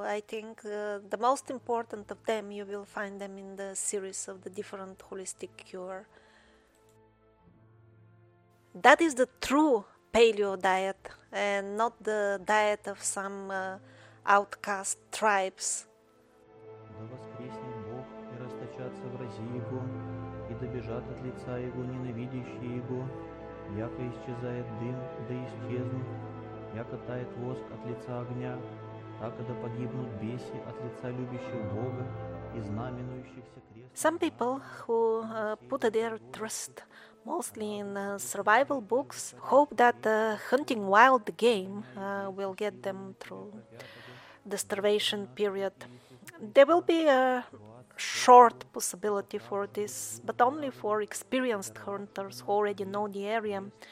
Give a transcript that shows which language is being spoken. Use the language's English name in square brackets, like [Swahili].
[English] I think the most important of them, you will find them in the series of the different holistic cure. That is the true paleo diet, and not the diet of some outcast tribes. [Church Slavic] Да воскреснет Бог и расточатся врази Его, и добежат от лица Его ненавидящие Его. Яко исчезает дым, да исчезнут, яко тает воск от лица огня, так и да погибнут беси от лица любящих Бога и знаменующихся крест. [English] Some people who put their trust mostly in survival books hope that hunting wild game will get them through the starvation period. There will be a short possibility for this, but only for experienced hunters who already know the area.